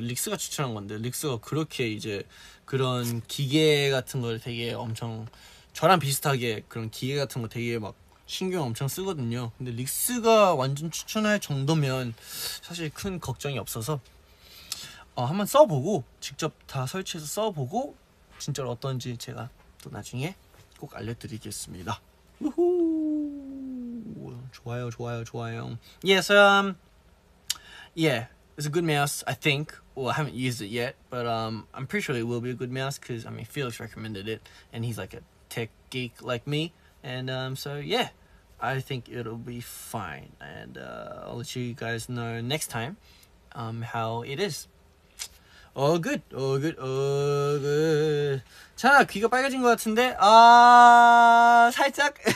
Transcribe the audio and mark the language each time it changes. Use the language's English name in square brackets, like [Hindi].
[Korean] 릭스가 추천한 건데 릭스가 그렇게 이제 그런 기계 같은 걸 되게 엄청 저랑 비슷하게 그런 기계 같은 거 되게 막 신경 엄청 쓰거든요. 근데 릭스가 완전 추천할 정도면 사실 큰 걱정이 없어서 한번 써보고 직접 다 설치해서 써보고 진짜로 어떤지 제가 또 나중에 꼭 알려드리겠습니다. 우후! 좋아요, 좋아요, 좋아요. [English] Yeah, so, yeah, it's a good mouse, I think. Well, I haven't used it yet, but I'm pretty sure it will be a good mouse because, I mean, Felix recommended it, and he's like a tech geek like me. And so, yeah, I think it'll be fine. And I'll let you guys know next time how it is. All good, all good, all good. [Korean] 자, 귀가 빨개진 것 같은데? 아, 살짝?